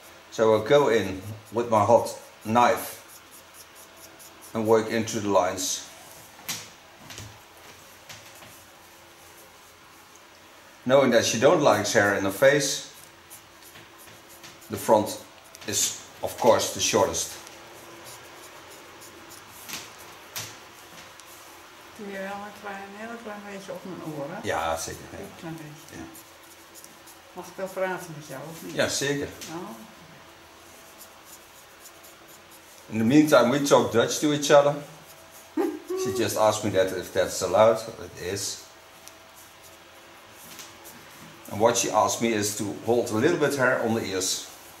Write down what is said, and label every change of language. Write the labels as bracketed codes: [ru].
[en] So I go in with my hot knife and work into the lines. Knowing that she don't like hair in her face, the front is of course the shortest. [nl] Doe je wel een heel klein beetje op mijn oren? Ja, zeker. Een klein beetje. Ja. Mag ik wel praten met jou of niet? Ja, zeker. Oh. [en] In the meantime, we talk Dutch to each other. She just asked me that if that's allowed. It is. And what she asked me is to hold a little bit hair on the ears.